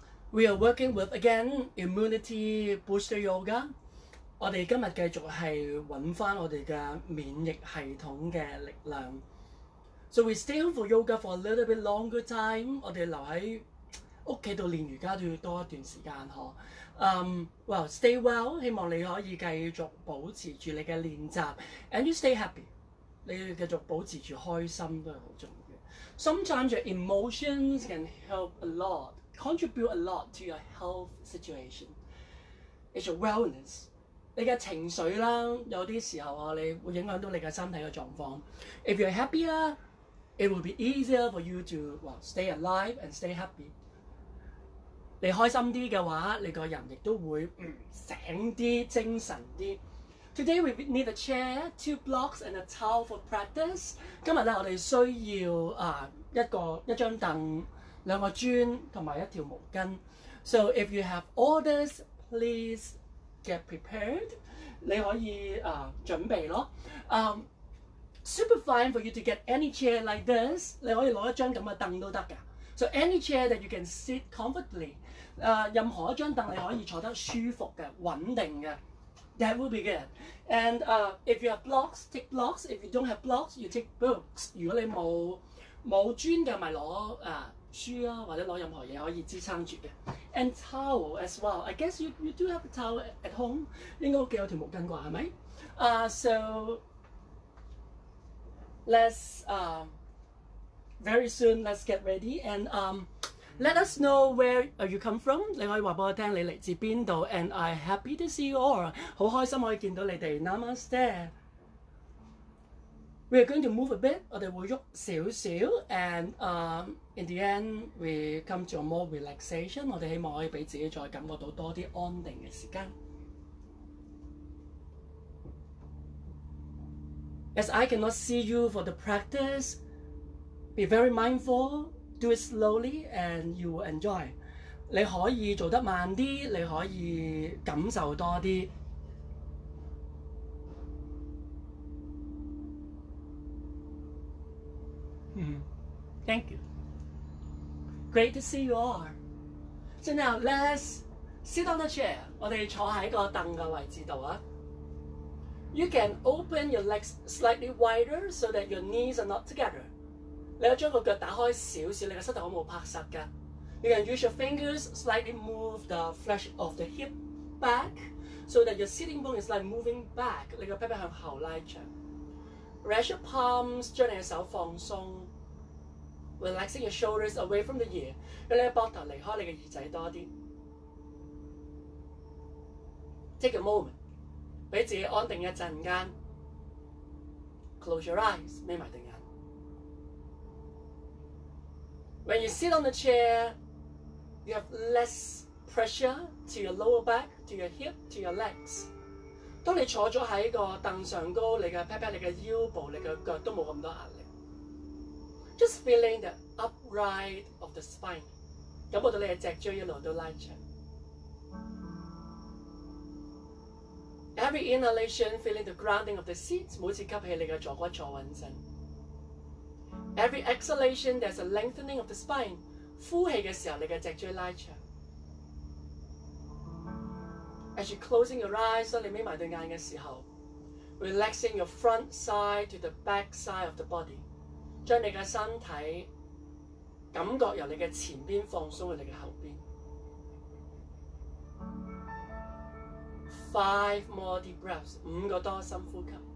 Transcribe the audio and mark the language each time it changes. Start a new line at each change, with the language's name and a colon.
English: We are working with again immunity booster yoga.
Cantonese: 我哋今日繼續係揾翻我哋嘅免疫系統嘅力量。
English: So we stay home for yoga for a little bit longer time.
Cantonese: 我哋留喺屋企度練瑜伽都要多一段時間呵。
English: Well, stay well.
Cantonese: 希望你可以繼續保持住你嘅練習。
English: And you stay happy.
Cantonese: 你要繼續保持住開心都係好重要。
English: Sometimes your emotions can help a lot, contribute a lot to your health situation. It's your wellness.
Cantonese: 你的情緒啦，有些時候你會影響到你的身體的狀況。
English: If you're happier, it will be easier for you to well, stay alive and stay happy.
Cantonese: 你開心一點的話，你的人也會醒一點，精神一點。
English: Today we need a chair, two blocks and a towel for practice.
Cantonese: 今天我們需要一張椅子、兩個磚和一條毛巾。
English: So if you have orders, please,get prepared,
Cantonese: 你可以準備咯。
English: Super fine for you to get any chair like this,
Cantonese: 你可以拿一張這樣的椅都可以。
English: So any chair that you can sit comfortably,
Cantonese: 任何一張椅你可以坐得舒服的、穩定的。
English: That will be good. And if you have blocks, take blocks. If you don't have blocks, you take books.
Cantonese: 如果你沒有磚的就拿書啊，或者拿任何東西可以支撐住的。
English: And towel as well. I guess you do have a towel at home.
Cantonese: 應該屋企有條毛巾啩，係咪？
English: So let's very soon let's get ready and let us know where are you come from.
Cantonese: 你可以話俾我聽你嚟自邊度。
English: And I'm happy to see you all.
Cantonese: 好開心可以見到你哋。
English: Namaste. We are going to move a bit.
Cantonese: 我哋會喐少少。
English: And in the end, we come to a more relaxation.
Cantonese: 我們希望可以讓自己再感覺到多些安定的時間。
English: As I cannot see you for the practice, be very mindful, do it slowly, and you will enjoy.
Cantonese: 你可以做得慢一點，你可以感受多一點。
English: Thank you. Great to see you all. So now let's sit on the chair.
Cantonese: 我哋坐喺个凳嘅位置度啊。
English: You can open your legs slightly wider so that your knees are not together.
Cantonese: 你要将个脚打开少少，你嘅膝头好冇拍实噶。
English: You can use your fingers slightly move the flesh of the hip back so that your sitting bone is like moving back.
Cantonese: 你嘅屁股向后拉长。
English: Rest your palms.
Cantonese: 将你嘅手放松。
English: Relaxing your shoulders away from the ear.
Cantonese: 让你的膊头离开你的耳仔多一点。
English: Take a moment.
Cantonese: 让自己安定一阵间。
English: Close your eyes.
Cantonese: 眯埋对眼。
English: When you sit on the chair, you have less pressure to your lower back, to your hip, to your legs.
Cantonese: 当你坐咗喺个凳上高，你的屁股、你的腰部、你的脚都冇咁多压力。
English: Just feeling the upright of the spine.
Cantonese: 感覺到你的脊椎一路都拉長。
English: Every inhalation, feeling the grounding of the seat.
Cantonese: 每次吸氣，你的坐骨坐穩陣。
English: Every exhalation, there's a lengthening of the spine.
Cantonese: 呼氣的時候，你的脊椎拉長。
English: As you're closing your eyes,
Cantonese: 當你閉埋對眼的時候，
English: relaxing your front side to the back side of the body.
Cantonese: 將你的身體感覺由你的前邊放鬆到你的後邊。
English: Five more deep breaths,
Cantonese: 五個多深呼吸。